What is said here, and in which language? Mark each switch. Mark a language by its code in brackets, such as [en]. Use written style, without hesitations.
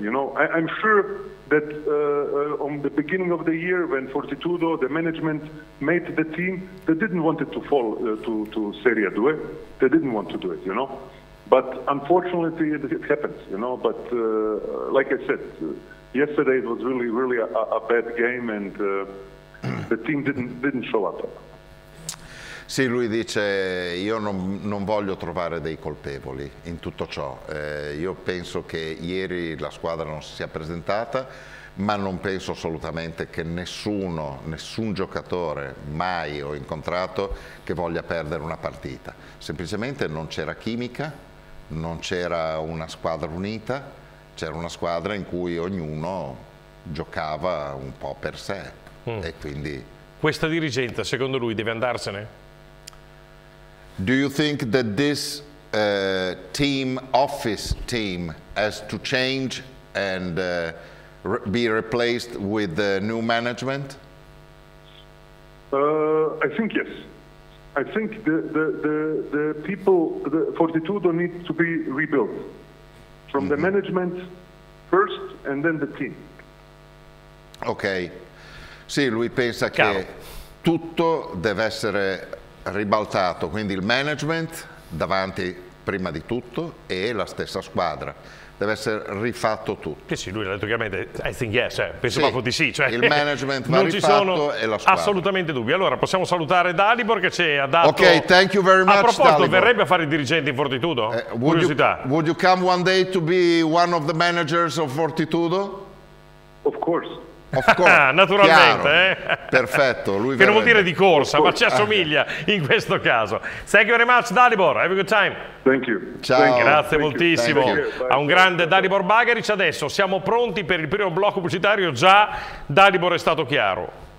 [en] You know, I'm sure that on the beginning of the year, when Fortitudo, the management, made the team, they didn't want it to fall to Serie A. They didn't want to do it, you know. But unfortunately, it happens, you know. But like I said, yesterday it was really, really a bad game, and the team didn't show up. [it] Sì, lui dice, io non voglio trovare dei colpevoli in tutto ciò. Io penso che ieri la squadra non si sia presentata, ma non penso assolutamente che nessun giocatore mai ho incontrato che voglia perdere una partita. Semplicemente non c'era chimica, non c'era una squadra unita, c'era una squadra in cui ognuno giocava un po' per sé. Mm. E quindi questa dirigenza, secondo lui, deve andarsene? [en] Do you think that this team, office team, has to change and be replaced with the new management? I think yes. I think the people, the Fortitudo, need to be rebuilt from mm-hmm. the management first and then the team. Okay. [it] Sì, lui pensa che tutto deve essere ribaltato, quindi il management davanti prima di tutto e la stessa squadra. Deve essere rifatto tutto. Che sì, lui l'ha detto chiaramente, [en] I think yes, [it] penso proprio di sì. Cioè, il management va rifatto e la squadra. Assolutamente dubbi. Allora, possiamo salutare Dalibor che ci ha dato... [en] Ok, thank you very much, [it] a proposito, Dalibor. Verrebbe a fare il dirigente in Fortitudo? Curiosità. [en] Would you come one day to be one of the managers of Fortitudo? Of course. Of course. [it] Naturalmente, perfetto. Lui che non vuol dire di corsa, ma ci assomiglia in questo caso. [en] Thank you very much, Dalibor. Have a good time. Thank you. [it] Ciao. Grazie moltissimo a un grande Dalibor Bagaric. Adesso siamo pronti per il primo blocco pubblicitario. Già Dalibor è stato chiaro.